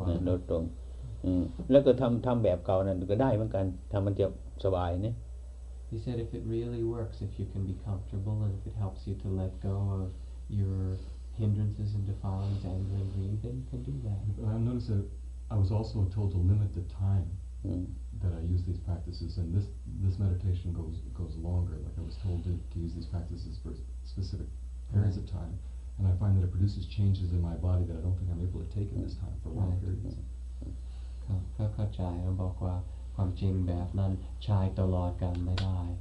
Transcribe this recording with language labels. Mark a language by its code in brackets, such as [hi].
[th] ลดลงแล้วก็ทำแบบเก่านั่นก็ได้เหมือนกันทำมันจะสบายเนี่ย [en] He said if it really works if you can be comfortable and if it helps you to let go of your hindrances and defilements anger and greed then you can do that I noticed that I was also told to limit the timeThat I use these practices, and this meditation goes longer. Like I was told to use these practices for specific periods of time, and I find that it produces changes in my body that I don't think I'm able to take in this time for long periods. [th] ก็เข้าใจแล้วบอกว่าความจริงแบบนั้นใช้ตลอดกันไม่ได้